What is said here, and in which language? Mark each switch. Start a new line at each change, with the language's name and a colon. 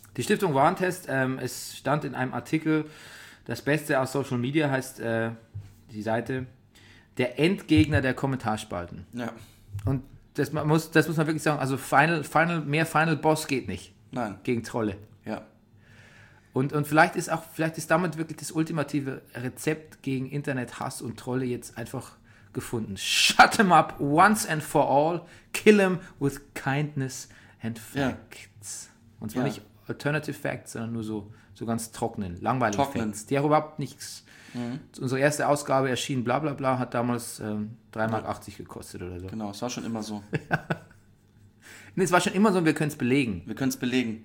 German: Die Stiftung Warntest, es stand in einem Artikel, das Beste aus Social Media heißt die Seite, der Endgegner der Kommentarspalten. Ja. Und das muss man wirklich sagen, also Final Boss geht nicht. Nein. Gegen Trolle. Ja. Und vielleicht ist damit wirklich das ultimative Rezept gegen Internet-Hass und Trolle jetzt einfach gefunden.
English: Shut them up once and for all. Kill them with kindness and facts.
German: Ja. Und zwar, ja, nicht alternative facts, sondern nur so ganz trockenen, langweiligen Facts. Die haben überhaupt nichts. Mhm. Unsere erste Ausgabe erschien, bla bla bla, hat damals 3,80 Mark gekostet oder so. Genau, es war schon immer so. Nee, es war schon immer so und wir können es belegen. Wir können es belegen.